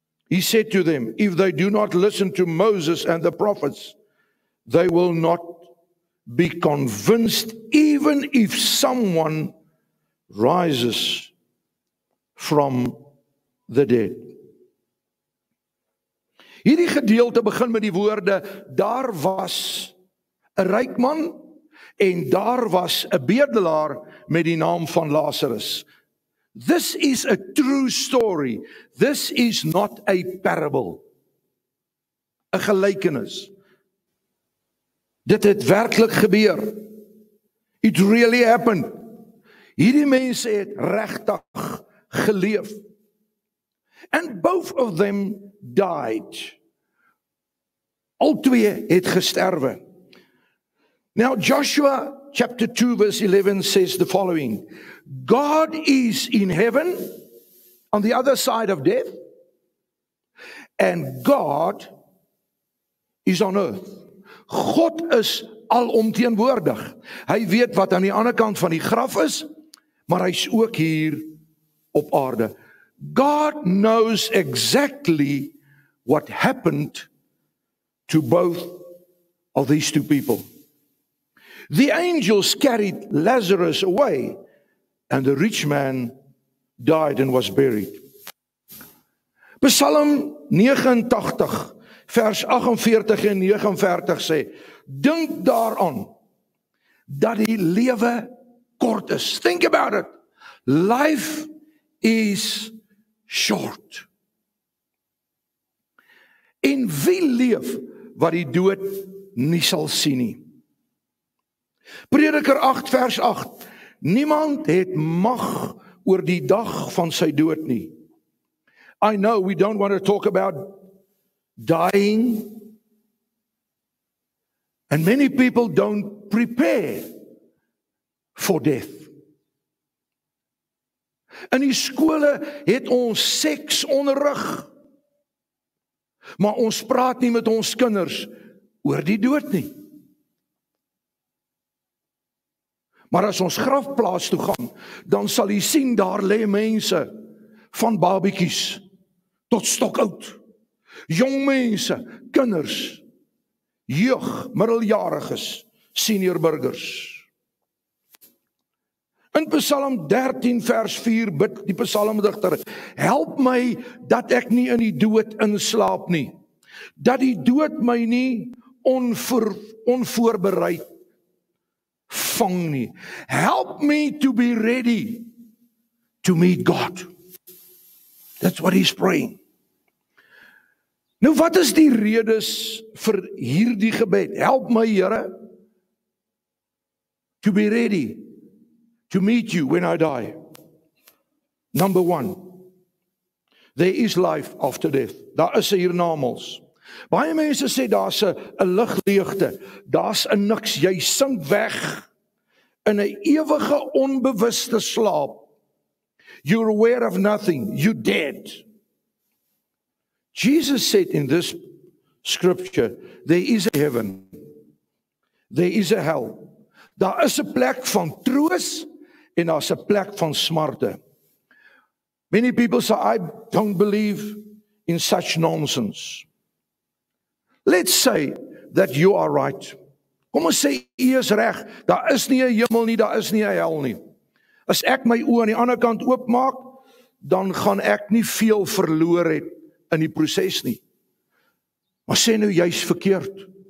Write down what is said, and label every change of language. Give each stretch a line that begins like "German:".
English: He said to them, "If they do not listen to Moses and the prophets, they will not be convinced, even if someone rises from the dead."
Afrikaans: Hierdie gedeelte begin met die woorde, daar was 'n ryk man en daar was 'n bedelaar met die naam van Lazarus.
English: This is a true story. This is not a parable.
Afrikaans: 'N gelykenis. Dit het werklik gebeur.
English: It really happened.
Afrikaans: Hierdie mense het regtig geleef.
English: And both of them died.
Afrikaans: Al twee het gesterwe.
English: Now Joshua chapter 2 verse 11 says the following. God is in heaven on the other side of death, and God is on earth.
Afrikaans: God is alomteenwoordig. Hy weet wat aan die ander kant van die graf is, maar hy is ook hier op aarde.
English: God knows exactly what happened to both of these two people. The angels carried Lazarus away, and the rich man died and was buried.
Afrikaans: Psalm 89 vers 48 en 49 sê, "Dink daaraan dat die lewe kort is."
English: Think about it. Life is short.
Afrikaans: En wie leef wat die dood nie sal sien nie? Prediker 8 vers 8, "Niemand het mag oor die dag van sy dood nie."
English: I know we don't want to talk about dying, and many people don't prepare for death.
Afrikaans: In die skole het ons seks onderrig, maar ons praat nie met ons kinders oor die dood nie. Maar as ons grafplaas toe gaan, dan sal jy sien daar lê mense van babietjies tot stokoud. Jong mense, kinders, jeug, middeljariges, senior burgers. In Psalm 13 vers 4 bid die psalmdigter, "Help my dat ek nie in die dood inslaap nie, dat die dood my nie onvoorbereid vang nie.
English: Help me to be ready to meet God." That's what he's praying.
Afrikaans: Nou wat is die redes vir hierdie gebed?
English: Help
Afrikaans: my Here
English: to be ready to meet you when I die. Number one, there is life after death.
Afrikaans: Daar is hiernamaals. Baie mense sê daar's 'n ligleegte, daar's 'n niks, jy sink weg in 'n ewige onbewuste slaap.
English: You're aware of nothing, you're dead. Jesus said in this scripture, there is a heaven, there is a hell.
Afrikaans: Daar is 'n plek van troos en daar's 'n plek van smarte.
English: Many people say, I don't believe in such nonsense. Let's say that you are right.
Afrikaans: Kom ons sê, jy is reg, daar is nie 'n hemel nie, daar is nie 'n hel nie. As ek my oë aan die ander kant oopmaak, dan gaan ek nie veel verloor het in die proses nie. Maar sê nou jy's verkeerd.